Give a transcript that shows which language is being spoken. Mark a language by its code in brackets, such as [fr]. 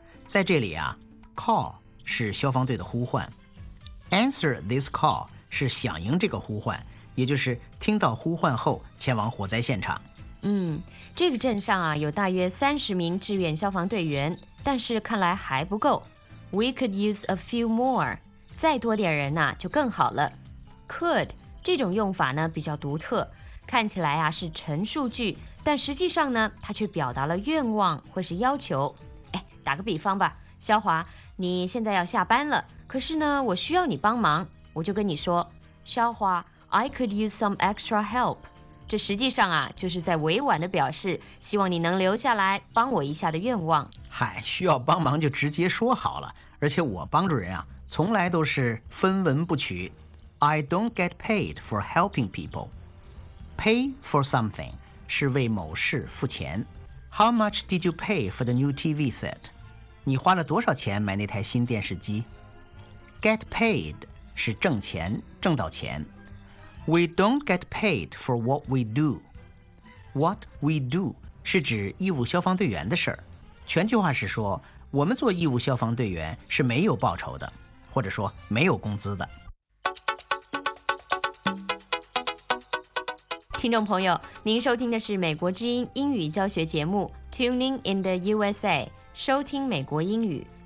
[zh] 在这里啊， call 是消防队的呼唤， answer this call 是响应这个呼唤，也就是听到呼唤后前往火灾现场。嗯，这个镇上啊有大约30名志愿消防队员，但是看来还不够。 [en] We could use a few more， [zh] 再多点人呢、啊、就更好了。 Could 这种用法呢比较独特，看起来啊是陈述句，但实际上呢它却表达了愿望或是要求。哎，打个比方吧，萧华你现在要下班了，可是呢我需要你帮忙，我就跟你说，萧华 [en] I could use some extra help。 [zh] 这实际上啊就是在委婉的表示希望你能留下来帮我一下的愿望。嗨，需要帮忙就直接说好了，而且我帮助人啊从来都是分文不取。 [en] I don't get paid for helping people. Pay for something [zh] 是为某事付钱。 [en] How much did you pay for the new TV set? [zh] 你花了多少钱买那台新电视机？Get paid 是挣钱，挣到钱。 [en] We don't get paid for what we do. [zh] What we do 是指义务消防队员的事儿。全句话是说，我们做义务消防队员是没有报酬的，或者说没有工资的。听众朋友，您收听的是美国之音英语教学节目 Tuning in the USA， 收听美国英语。